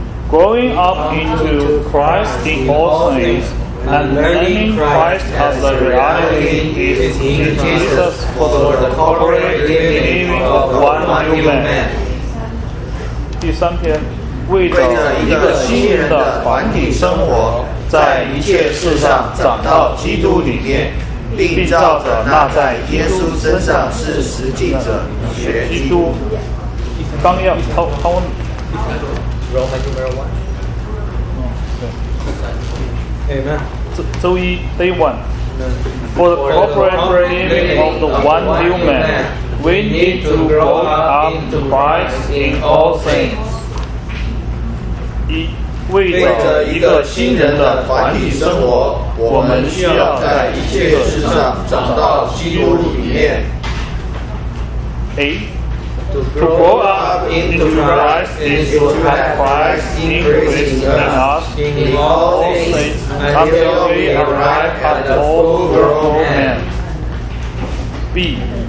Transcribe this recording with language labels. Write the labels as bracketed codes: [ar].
[en] Growing up into Christ in all things and learning Christ as the reality is in Jesus for the corporate living of one new man. [zh] 第三篇，为着一个新人的团体生活，在一切事上长到基督里面，并照着那在耶稣身上是实际者学基督。纲要，他问。 [en] Amen. Day one. For the corporate living of the one new man, we need to grow up to Christ in all things. [zh] 为着一个新人的团体生活，我们需要在一切事上长到基督里面， [en] To grow up into Christ is to have Christ increased in us in all things until we arrive at the full grown man. B.